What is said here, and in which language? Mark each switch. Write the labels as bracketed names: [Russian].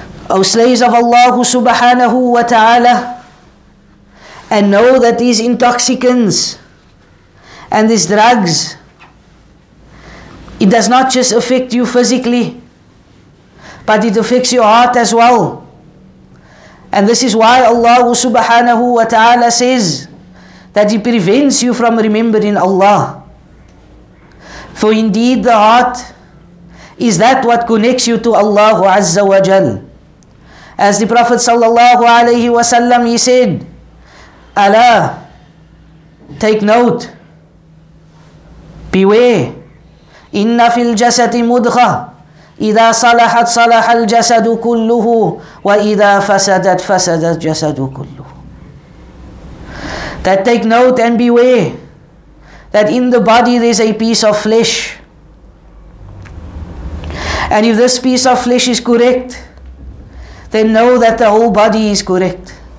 [English] O slaves of Allah subhanahu wa ta'ala, and know that these intoxicants and these drugs, it does not just affect you physically, but it affects your heart as well. And this is why Allah subhanahu wa ta'ala says that He prevents you from remembering Allah. For indeed the heart is that what connects you to Allah Azza wa Jal. As the Prophet sallallahu alayhi wa sallam, he said, Ala, take note, beware, [Arabic] إِنَّ فِي الْجَسَدِ مُدْخَى إِذَا صَلَحَتْ صَلَحَ الْجَسَدُ كُلُّهُ وَإِذَا فَسَدَتْ فَسَدَتْ جَسَدُ كُلُّهُ. [English] That take note and beware that in the body there is a piece of flesh. And if this piece of flesh is correct, then know that the whole body is correct.